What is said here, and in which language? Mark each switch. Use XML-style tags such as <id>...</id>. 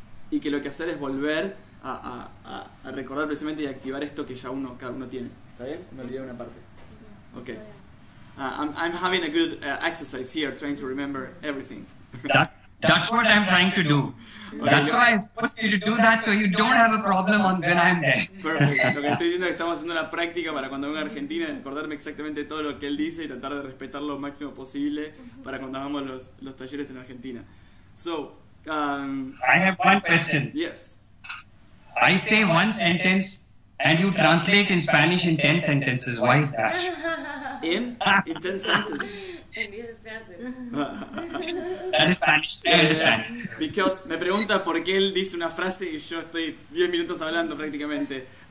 <es>Y que lo que hacer es volver a recordar precisamente y activar esto que ya uno, cada uno tiene. ¿Está bien? Me olvidé una parte. Ok.</es> <en>I'm having a good exercise here, trying to remember everything. That's what I'm trying to do. That's why I forced you to do that, so you don't have a problem on when I'm there. Perfect.</en> <es>Lo que estoy diciendo es que estamos haciendo la práctica para cuando venga a Argentina, acordarme exactamente todo lo que él dice y tratar de respetarlo lo máximo posible para cuando hagamos los talleres en Argentina.</es> <en>So, I have one question. Yes. I say one sentence and you translate in Spanish in 10 sentences. Why is that? In 10 sentences. That is Spanish. Understand. Because</en> <es>me pregunta por qué él dice una frase y yo estoy 10 minutos hablando prácticamente.</es>